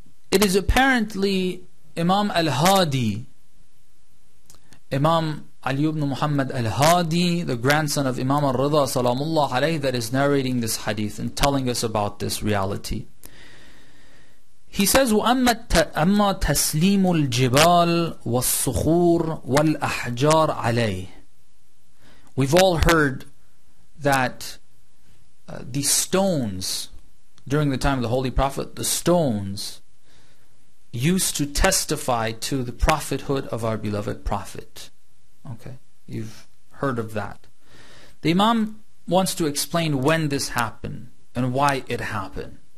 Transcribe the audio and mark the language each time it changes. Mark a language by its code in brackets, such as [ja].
[en] It is apparently Imam Al-Hadi, Imam Ali ibn Muhammad Al-Hadi, the grandson of Imam Al-Ridha, salamullah alayhi, that is narrating this hadith and telling us about this reality. He says, [ar] وَأَمَّا تَسْلِيمُ الْجِبَالِ وَالصُّخُورِ وَالْأَحْجَارِ عَلَيْهِ. [en] We've all heard that the stones, during the time of the Holy Prophet, the stones used to testify to the prophethood of our beloved Prophet. Okay, you've heard of that. The Imam wants to explain when this happened and why it happened.